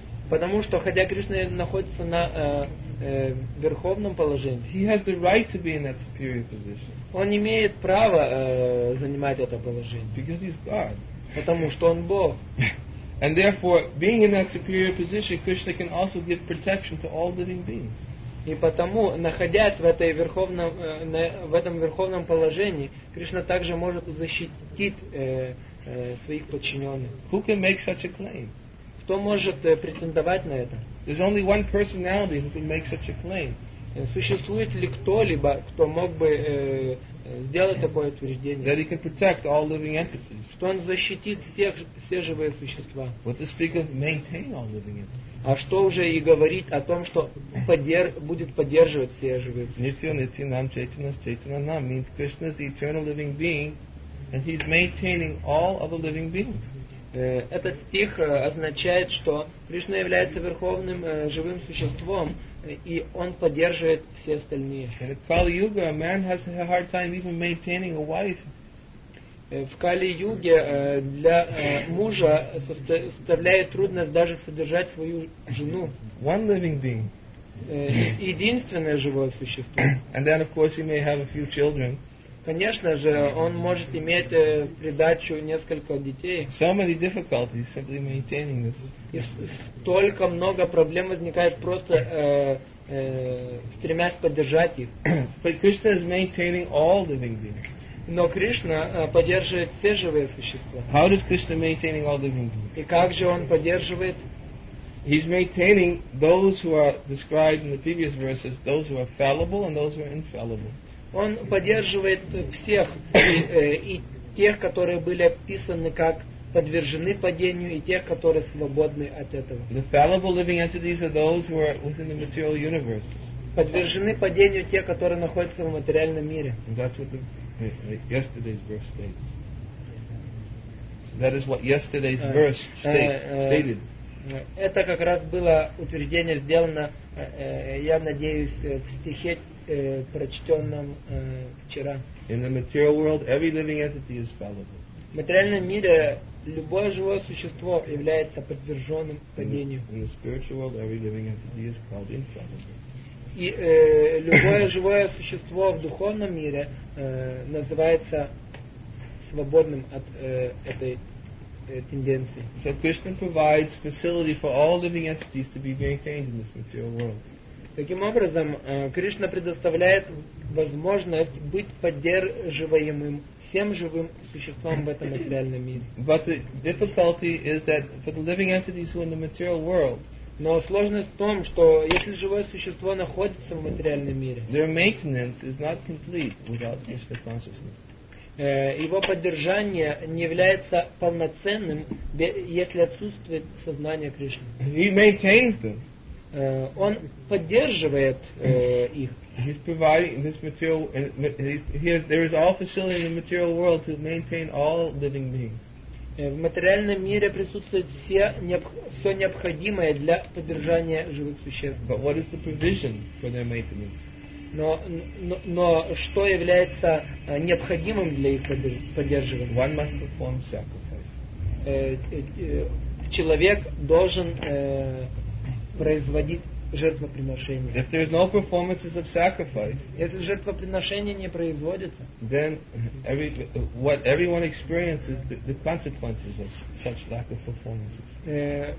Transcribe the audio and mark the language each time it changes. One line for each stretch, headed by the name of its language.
Russian: потому что, хотя Кришна находится на верховном положении,
English: he has the right to be in that superior position.
Russian: Он имеет право занимать это положение.
English: Because he's God.
Russian: Потому что он Бог.
English: And therefore, being in that superior position, Krishna can also give protection to all living beings.
Russian: И потому, находясь в этой верховном, в этом верховном положении, Кришна также может защитить своих подчиненных.
English: Who can make such a claim?
Russian: Кто может претендовать на это?
English: There's only one personality who can make such a claim.
Russian: Существует ли кто-либо, кто мог бы сделать такое утверждение?
English: That he can protect all living entities.
Russian: Что он защитит всех, все живые существа.
English: What to speak of maintain all living entities.
Russian: А что уже и говорить о том, что будет поддерживать все живые существа.
Sanskrit: Nitya, nitya, nam, chaitana, chaitana, nam.
English: Means Krishna is the eternal living being, and he's maintaining all other living beings.
Russian: Этот стих означает, что Кришна является верховным живым существом, и он поддерживает все остальные.
English: In Kali-Yuga, a man has a hard time even maintaining a wife.
Russian: В Кали-Юге для мужа составляет трудность даже содержать свою жену.
English: One living being.
Russian: Единственное живое существо.
English: And then, of course, he may have a few children.
Russian: Конечно же, он может иметь в придачу несколько детей.
English: So many difficulties simply maintaining this.
Russian: И столько много проблем возникает просто стремясь поддержать их.
English: But Krishna is maintaining all living beings.
Russian: Но Кришна поддерживает все живые существа.
English: How does Krishna maintaining all living beings?
Russian: И как же он поддерживает?
English: He's maintaining those who are described in the previous verses, those who are fallible and those who are infallible.
Russian: Он поддерживает всех и тех, которые были описаны как подвержены падению, и тех, которые свободны от этого.
English: The fallible living entities are those who are within the material universe.
Russian: Подвержены падению те, которые находятся в материальном мире.
English: And that's what yesterday's verse states. That is what yesterday's verse stated.
Russian: Это как раз было утверждение сделано, я надеюсь, в стихе, прочтенном вчера.
English: In the material world, every living entity is fallible.
Russian: В материальном мире любое живое существо является подверженным падению.
English: In the spiritual world, every living entity is called infallible.
Russian: И любое живое существо в духовном мире называется свободным от этой тенденции.
English: So Krishna provides facility for all living entities to be maintained in this material world.
Russian: Таким образом, Кришна предоставляет возможность быть поддерживаемым всем живым существам в этом материальном мире.
English: But the difficulty is that for the living entities who are in the material world,
Russian: но сложность в том, что если живое существо находится в материальном мире,
English: their maintenance is not complete without Krishna consciousness.
Russian: Его поддержание не является полноценным, если отсутствует сознание Кришны.
English: He maintains them.
Russian: Он поддерживает их.
English: He's providing this material. There is all facility in the material world to maintain all living beings.
Russian: В материальном мире присутствует все необходимое для поддержания живых существ.
English: But what is the provision for their maintenance?
Russian: Но что является необходимым для их поддерживания?
English: One must perform sacrifice.
Russian: Человек должен производить жертвоприношение.
English: If there is no performances of sacrifice,
Russian: если жертвоприношение не производится,
English: then what everyone experiences the consequences of such lack of performances.